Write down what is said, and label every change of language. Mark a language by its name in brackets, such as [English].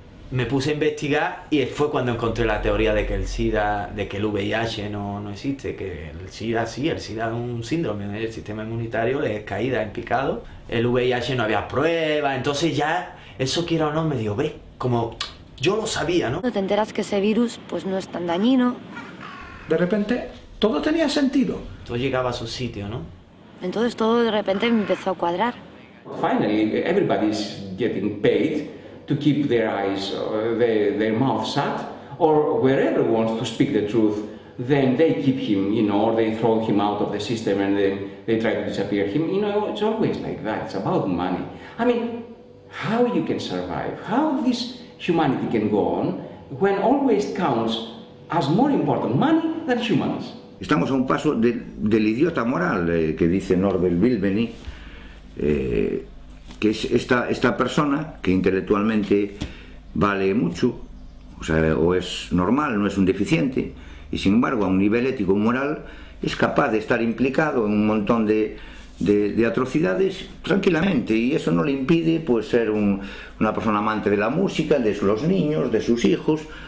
[Spanish] Me puse a investigar y fue cuando encontré la teoría de que el SIDA, de que el VIH no existe, que el SIDA sí, el SIDA es un síndrome del sistema inmunitario, le es caída en picado, el VIH no había prueba, entonces ya eso quiera o no me dio, ve, como yo lo sabía, ¿no? Te enteras que ese virus pues no es tan dañino. De repente todo tenía sentido. Todo llegaba a su sitio, ¿no? Entonces todo de repente me empezó a cuadrar. [English] Finally, everybody's getting paid to keep their eyes, their mouth shut, or wherever wants to speak the truth, then they keep him, you know, or they throw him out of the system and then they try to disappear him. You know, it's always like that. It's about money. I mean, how you can survive? How this humanity can go on when always counts as more important money than humans? [Spanish] Estamos a un paso del idiota moral que dice Norbert Wilbeny, que es esta persona que intelectualmente vale mucho, o sea, o es normal, no es un deficiente, y sin embargo a un nivel ético moral es capaz de estar implicado en un montón de atrocidades tranquilamente, y eso no le impide pues ser una persona amante de la música, de los niños, de sus hijos.